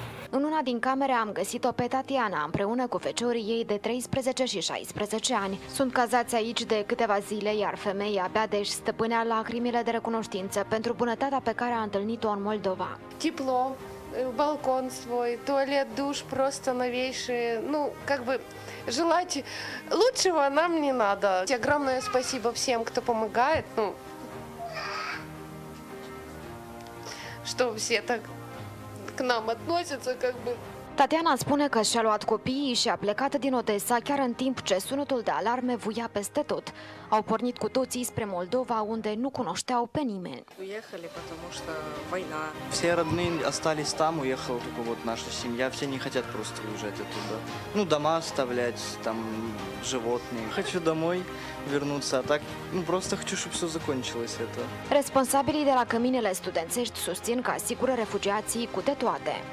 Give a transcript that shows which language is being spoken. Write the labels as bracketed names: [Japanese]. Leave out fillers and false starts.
[Romanian] În una din camere am găsit-o pe Tatiana, împreună cu feciorii ei de 13 și 16 ani. Sunt cazați aici de câteva zile, iar femeia abia deși stăpânea lacrimile de recunoștință pentru bunătatea pe care a întâlnit-o în Moldova. Tiplo. [Russian] Балкон свой, туалет, душ просто новейшие. Ну, как бы желать лучшего нам не надо. Огромное спасибо всем, кто помогает. Ну, что все так к нам относятся, как бы. [Romanian] Tatiana spune că și-a luat copiii și a plecat din Odessa chiar în timp ce sunetul de alarme vuia peste tot. Au pornit cu toții spre Moldova, unde nu cunoșteau pe nimeni. [Russian] Уехали, потому что война. Все родные остались там, уехала только вот наша семья. Все не хотят просто уезжать оттуда. Ну, дома оставлять, там, животные. Хочу домой вернуться, а так, ну, просто хочу, чтобы все закончилось это. [Romanian] Responsabilii de la căminele studențești susțin că asigură refugiații cu de toate.